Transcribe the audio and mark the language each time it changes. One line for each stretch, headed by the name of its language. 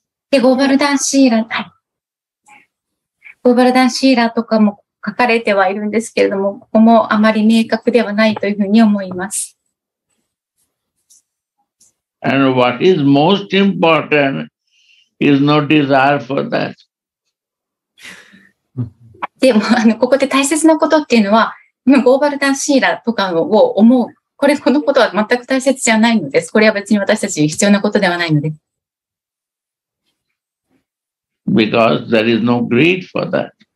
Japanese: で、ゴバルダンシーラ、はい。ゴバルダンシーラとかも書かれてはいるんですけれども、ここもあまり明確ではないというふうに思います。
English: And what is most important is no desire for that.
Japanese: でも、ここで大切なことっていうのは、ゴバルダンシーラとかを思う。これこのことは全く大切じゃないのです。これは別に私たちに必要なことではないのです。
English: Because there is no greed for that.